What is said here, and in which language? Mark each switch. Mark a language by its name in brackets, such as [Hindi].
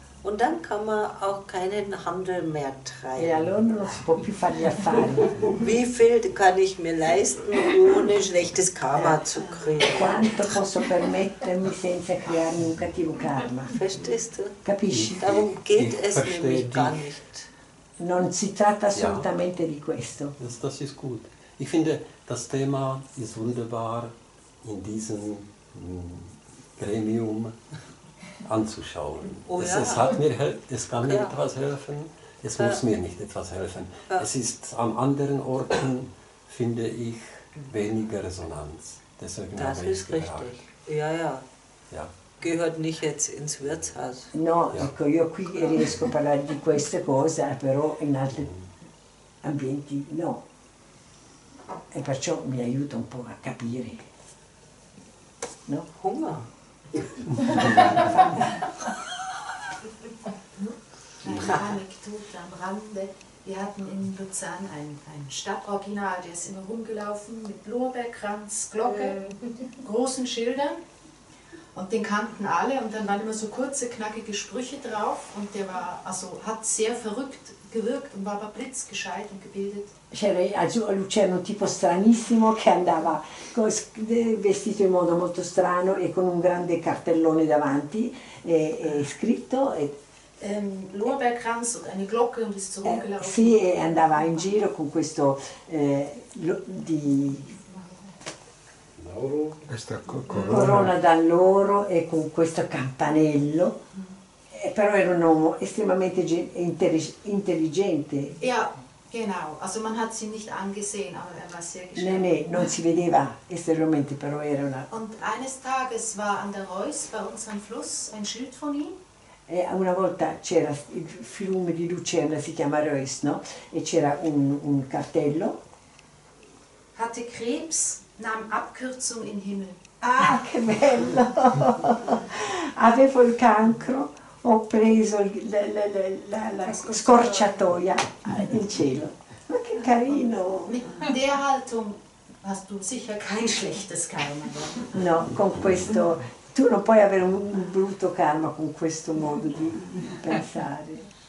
[German] Und dann kann man auch keinen Handel mehr treiben. [Italian] E allora non si può più fare gli affari. [German] Wie viel kann ich mir leisten, ohne schlechtes Karma zu kriegen? [Italian] Quanto posso permettermi senza crearmi un cattivo karma? [German] Verstehst du? [Italian] Capisci? [German] Darum geht es nämlich gar nicht. [Italian] Non si tratta assolutamente di questo. [German] Das ist gut. Ich finde, das Thema ist wunderbar in diesem Gremium anzuschauen. Oh, es, ja. Es hat mir es kann mir etwas helfen, es muss mir nicht etwas helfen. Es ist an anderen Orten, finde ich, weniger Resonanz. Deswegen das ist richtig. Ja, ja, ja. Gehört nicht jetzt ins Wirtshaus. No, ja. [Italian] Ecco, io qui riesco a parlare di queste cose, però in altri ambienti no. E perciò mi aiuta un po' a capire. No? [German] Hunger. Eine Anekdote am Rande. Wir hatten in Luzern ein Stadtoriginal, der ist immer rumgelaufen mit Lorbeerkranz, Glocke, großen Schildern. Und den kannten alle und dann waren immer so kurze, knackige Sprüche drauf. Und der war, also hat sehr verrückt gewirkt und war aber blitzgescheit und gebildet. [Italian] C'era also Luciano, un tipo stranissimo che andava vestito in modo molto strano e con un grande cartellone davanti e scritto. E [German] Lorbeerkranz und eine Glocke und ist zurückgelaufen. [Italian] Sì, e andava in giro con questo di Lauro. Questa corona d'alloro e con questo campanello. Però era un uomo estremamente intelligente. [German] Ja. Genau, also man hat sie nicht angesehen, aber er war sehr geschickt. [Italian] Nee, nee, non si vedeva esteriormente, però era una. [German] Und eines Tages war an der Reuss bei uns am Fluss ein Schild von ihm. [Italian] E una volta c'era il fiume di Lucerna, si chiama Reuss, no? E c'era un cartello. [German] Hatte Krebs, nahm Abkürzung in Himmel. [Italian] Ah, che bello! Avevo il cancro. Ho preso la scorciatoia in cielo. Ma che carino! [German] In der Haltung hast du sicher kein schlechtes Karma. [Italian] No, con questo. Tu non puoi avere un brutto karma con questo modo di pensare.